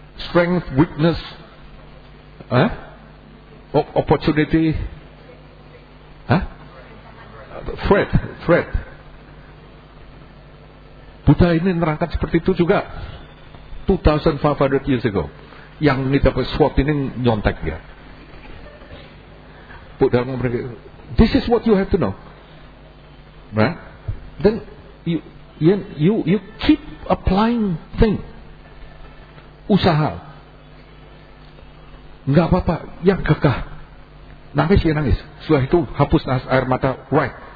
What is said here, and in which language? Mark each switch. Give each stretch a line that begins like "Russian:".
English: Strength, weakness, opportunity, threat.
Indonesian: Buddha ini nerangkan seperti itu juga 2500
English: years ago.
Indonesian: Yang ini dapat SWOT ini nyontek dia. Buddha memberikan,
English: this is what you have to know. Right? Then you keep applying thing.
Indonesian: Usaha. Enggak apa-apa, yang gagah. Nangis ya nangis. Setelah itu hapus air mata, right.